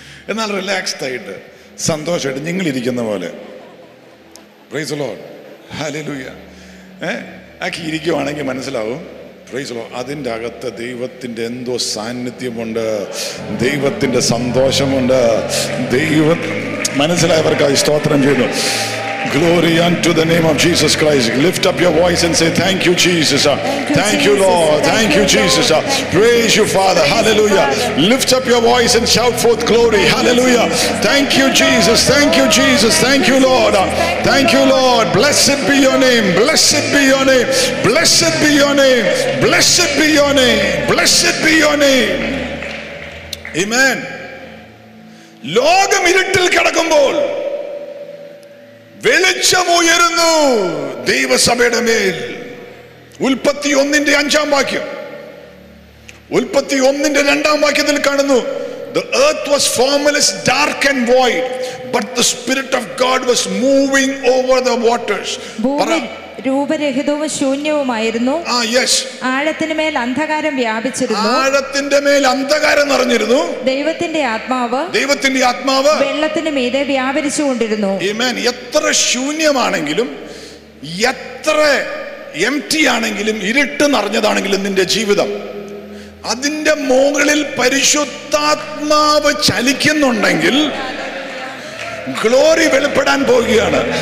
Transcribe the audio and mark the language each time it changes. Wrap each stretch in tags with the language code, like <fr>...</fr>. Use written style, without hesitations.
<ml>എന്നാൽ റിലാക്സ്ഡ് ആയിട്ട് സന്തോഷമായിട്ട് നിങ്ങൾ ഇരിക്കുന്ന പോലെ,</ml> <en>praise the Lord,</en> <ml>ഹല്ലേലൂയ, ആക്കി ഇരിക്കുവാണെങ്കിൽ മനസ്സിലാവും, പ്രൈസ് ദി ലോർഡ്, അതിൻ്റെ അകത്ത് ദൈവത്തിൻ്റെ എന്തോ സാന്നിധ്യമുണ്ട്, ദൈവത്തിൻ്റെ സന്തോഷമുണ്ട്. ദൈവം മനസ്സിലായവർക്കായി സ്തോത്രം ചെയ്യുന്നു.</ml> <en>Glory unto the name of Jesus Christ. Lift up your voice and say, thank you Jesus, thank you Lord, thank you Jesus, praise you Father, hallelujah. Lift up your voice and shout forth glory, hallelujah. Thank you Jesus, thank you Jesus, thank you Lord, thank you Lord. Blessed be your name, blessed be your name, blessed be your name, blessed be your name, blessed be your name, amen.</en> <ml>ലോകം ഇരുട്ടിൽ കിടക്കുമ്പോൾ വെളിച്ചം ഉയരുന്നു ദൈവസഭയുടെ മേൽ. ഉൽപ്പത്തി ഒന്നിന്റെ അഞ്ചാം വാക്യം, ഉൽപ്പത്തി ഒന്നിന്റെ രണ്ടാം വാക്യത്തിൽ കാണുന്നു,</ml> <en>The earth was formless, dark and void, but the spirit of God was moving over the waters.</en> <ml>രൂപരഹിതവും ശൂന്യവുമായിരുന്നു. ആഴത്തിന് മേൽ അന്ധകാരം വ്യാപിച്ചിരുന്നു. ആഴത്തിന്റെ മേൽ അന്ധകാരം നിറഞ്ഞിരുന്നു. ദൈവത്തിന്റെ ആത്മാവ്, ദൈവത്തിന്റെ ആത്മാവ് വെള്ളത്തിന് മീതെ വ്യാപരിച്ചു കൊണ്ടിരുന്നു. എത്ര ശൂന്യമാണെങ്കിലും എത്ര എംപ്റ്റി ആണെങ്കിലും ഇരുട്ട് നിറഞ്ഞതാണെങ്കിലും നിന്റെ ജീവിതം, അതിന്റെ മുകളിൽ പരിശുദ്ധാത്മാവ് ചലിക്കുന്നുണ്ടെങ്കിൽ ഗ്ലോറി വെളിപ്പെടാൻ പോവുകയാണ്.</ml>